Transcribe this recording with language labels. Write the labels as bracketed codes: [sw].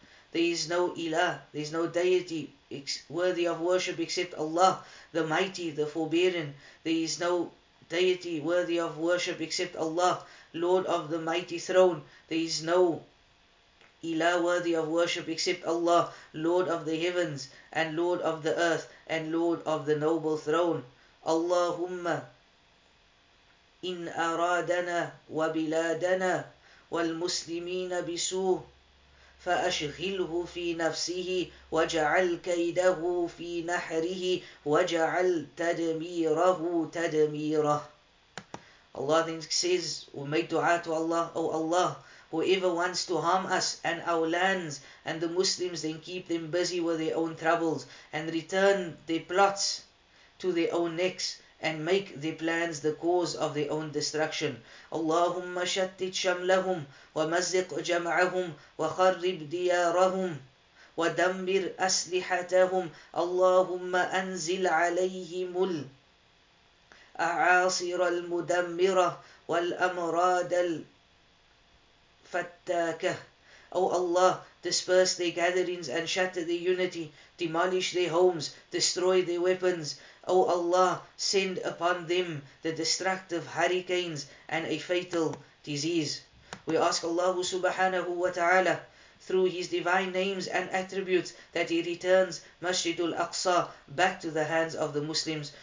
[en] There is no ilah, there is no deity worthy of worship except Allah, the mighty, the forbearing. There is no deity worthy of worship except Allah, Lord of the mighty throne. There is no ilah worthy of worship except Allah, Lord of the heavens and Lord of the earth and Lord of the noble throne. [ar] Allahumma in aradana wa biladana wal muslimina bisu فأشغله في نفسه وجعل كيده في نحره وجعل تدميره تدميره. [en] Allah then says, we make dua to Allah, O Allah, whoever wants to harm us and our lands and the Muslims, then keep them busy with their own troubles and return their plots to their own necks and make their plans the cause of their own destruction. [ar] اللهم شتت شملهم ومزق جمعهم وخرب ديارهم ودمر أسلحتهم اللهم أنزل عليهم الأعاصير المدمرة والأمراض الفتاكة. [en] O Allah, disperse their gatherings and shatter their unity, demolish their homes, destroy their weapons. O Allah, send upon them the destructive hurricanes and a fatal disease. We ask Allah subhanahu wa ta'ala through His divine names and attributes that He returns Masjid al-Aqsa back to the hands of the Muslims.